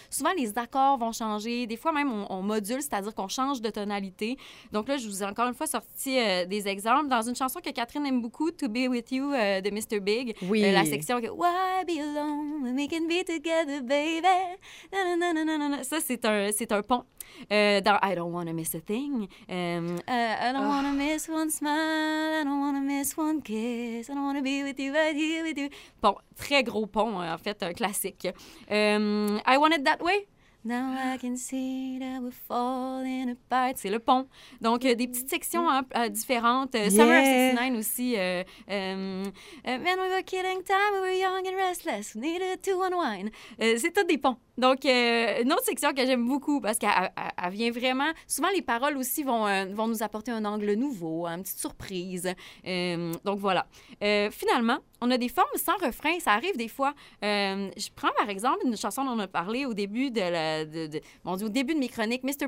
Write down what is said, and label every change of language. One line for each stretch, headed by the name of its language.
French: Souvent, les accords vont changer. Des fois, même, on module, c'est-à-dire qu'on change de tonalité. Donc là, je vous ai encore une fois sorti des exemples. Dans une chanson que Catherine aime beaucoup, « To be with you » de Mr. Big, oui. La section qui est
English: « Why be alone when we can be together, baby? »
French: Ça, c'est un pont.
English: Dans « I don't want to miss a thing »,« I don't want to miss one smile, I don't want to miss one kiss, I don't want to be with you, right here with you. »
French: Bon, très gros pont, en fait, un classique.
English: « I want it that way. » Now I can see that we're falling apart.
French: C'est le pont. Donc, des petites sections différentes.
English: Yeah. Summer of 69 aussi. Man, we were killing time, we were young and restless. We needed to unwind.
French: C'est tout des ponts. Donc, une autre section que j'aime beaucoup parce qu'elle vient vraiment... Souvent, les paroles aussi vont nous apporter un angle nouveau, une petite surprise. Donc, voilà. Finalement, on a des formes sans refrain. Ça arrive des fois. Je prends, par exemple, une chanson dont on a parlé au début de au début de mes chroniques, Mr.